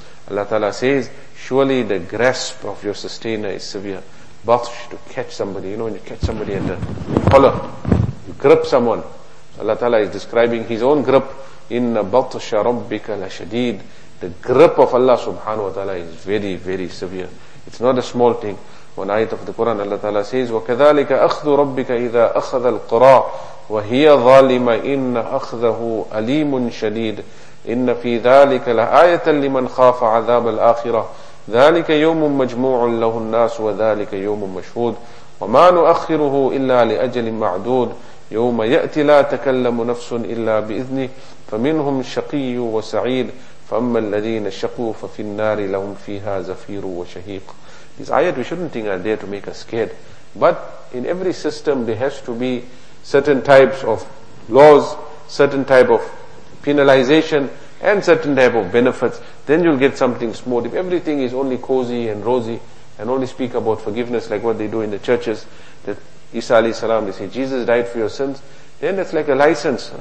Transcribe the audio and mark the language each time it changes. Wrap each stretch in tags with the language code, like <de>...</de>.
<en>Allah Ta'ala says, surely the grasp of your sustainer is severe. Batsh, to catch somebody. You know, when you catch somebody at the collar, you grip someone. Allah Ta'ala is describing His own grip.</en> <ar>إِنَّ بَطَشَ رَبِّكَ لَشَدِيدٌ.</ar> <en>The grip of Allah subhanahu wa ta'ala is very, very severe. It's not a small thing. One ayat of the Quran, Allah Ta'ala says,</en> <ar>وَكَذَلِكَ أَخْذُ رَبِّكَ إِذَا أَخَذَ الْقُرَىٰ وَهِيَ ظَالِمَ إِنَّ أَخْذَهُ أَلِيمٌ شَدِيدٌ إِنَّ فِي ذَلِكَ لَآيَةً لِمَنْ خَافَ عَذَابَ الْآخِرَةِ ذَلِكَ يَوْمٌ مَجْمُوعٌ لَهُ النَّاسُ وَذَلِكَ يَوْمٌ مَشْهُودٌ وَمَا نُؤَخِّرُهُ إِلَّا لِأَجَلٍ مَعْدُودٍ يوم يأتي لا تكلم نفس إلا بإذنه فمنهم شقي وسعيد فأما الذين شقوا ففي النار لهم فيها زفير وشهيق.</ar> <en>These ayat we shouldn't think are there to make us scared, but in every system there has to be certain types of laws, certain type of penalization and certain type of benefits, then you'll get something smooth. If everything is only cozy and rosy and only speak about forgiveness like what they do in the churches, that Isa alayhi salam, they say Jesus died for your sins, then that's like a license.</en>